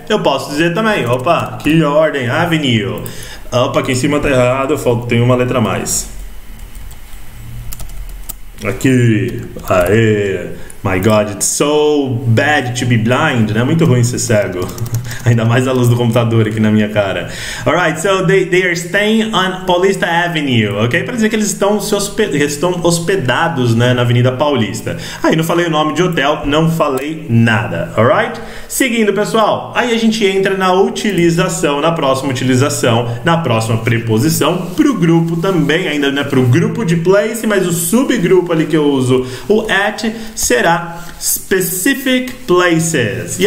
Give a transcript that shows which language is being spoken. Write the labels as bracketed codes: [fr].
[pt] Eu posso dizer também, opa, que ordem, Avenue, opa, aqui em cima tá errado, falta, tem uma letra a mais. Aqui, aê, [en] My God, it's so bad to be blind, né? [pt] Muito ruim ser cego. Ainda mais a luz do computador aqui na minha cara. [en] Alright, so they are staying on Paulista Avenue, ok? [pt] Pra dizer que eles estão, estão hospedados, né, na Avenida Paulista. Aí não falei o nome de hotel, não falei nada, alright? Seguindo, pessoal, aí a gente entra na utilização, na próxima utilização, na próxima preposição, pro grupo também, ainda não é pro grupo de place, mas o subgrupo ali que eu uso, o at, será specific places.